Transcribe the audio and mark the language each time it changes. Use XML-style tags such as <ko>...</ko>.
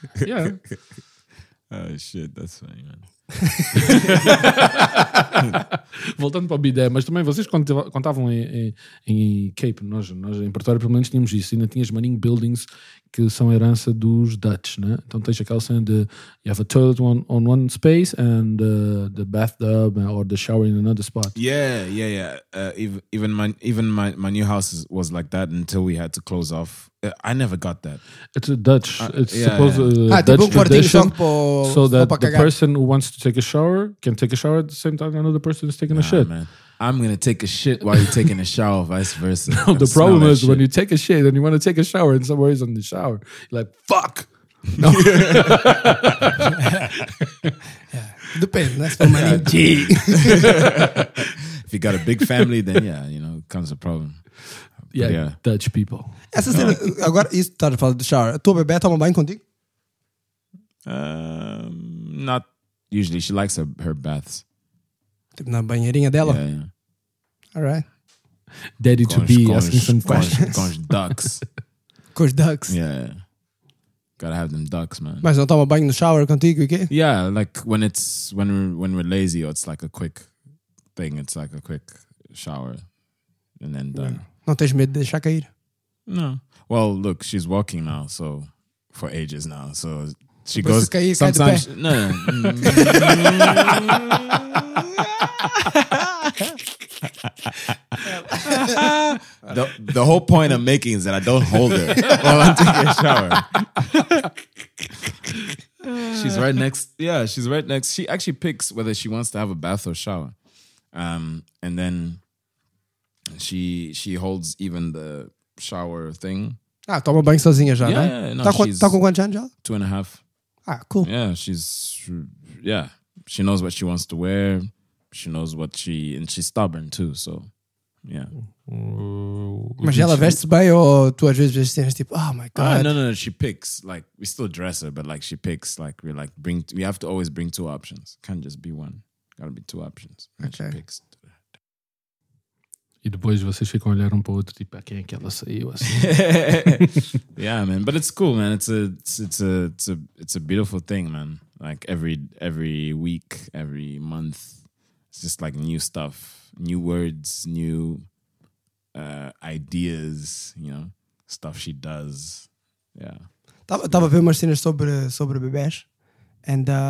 <en>Yeah. Oh, shit, that's funny, mano.</en> <pt>Voltando para o bidé, mas também vocês contavam em Cape, nós em Portugal pelo menos tínhamos isso, ainda tinhas Manning Buildings que são herança dos Dutch, né? Então tens aquela cena de</pt> <en>you have a toilet on one space and the bathtub or the shower in another spot. Yeah. Even my new house was like that until we had to close off. I never got that. It's a Dutch. It's supposed to be a Dutch tradition. So that the person who wants to take a shower can take a shower at the same time another person is taking a shit. Man. I'm going to take a shit while you're taking a shower, vice versa. No, the problem is when you take a shit and you want to take a shower and somebody's in the shower, you're like, fuck. No. Depends. That's for money. If you got a big family, then yeah, you know, it becomes a problem. Yeah, Dutch people.</en> <pt>Essa cena, agora, isso está a falar de shower. A tua bebê toma banho contigo?</pt> <en>Not usually. She likes her baths.</en> <pt>Tipo, na banheirinha dela?</pt> <en>Yeah. All right. Daddy to be asking some questions.</en> <pt>Com os ducks. Com os ducks?</pt> <en>Yeah. Gotta have them ducks, man.</en> <pt>Mas não toma banho no shower contigo, o quê?</pt> <en>Yeah, like when we're lazy or it's like a quick thing, it's like a quick shower and then done. Yeah.</en> <pt>Não tens medo de deixar cair?</pt> <en>No. Well, look, she's walking now, so for ages now. So she goes</en> <pt>cair,</pt> <en>sometimes.</en> <pt>Cai de pé.</pt> <en>The whole point I'm making is that I don't hold her while I'm taking a shower. She's right next. Yeah, she's right next. She actually picks whether she wants to have a bath or shower. And then she holds even the shower thing.</en> <pt>Ah, toma banho sozinha já,</pt> <en>yeah,</en> <pt>né?</pt> <en>Yeah, no,</en> <pt>tá com quantos anos já?</pt> <en>2.5. Ah, cool. Yeah, she knows what she wants to wear. She knows what she... And she's stubborn too, so... Yeah.</en> <pt>Mas ela veste bem ou tu às vezes vestes assim, tipo,</pt> <en>oh my God. No, she picks. Like, we still dress her, but like she picks. Like, we're like, we have to always bring two options. Can't just be one. Gotta be two options. And okay. She picks.</en> <pt>E depois vocês ficam a olhar um para o outro, tipo, a quem é que ela saiu, assim.</pt> <en>Yeah, man. But it's cool, man. It's a beautiful thing, man. Like, every week, every month, it's just like new stuff. New words, new ideas, you know? Stuff she does. Yeah.</en> <pt>Tava a ver umas cenas sobre bebês.</pt> <en>And,</en>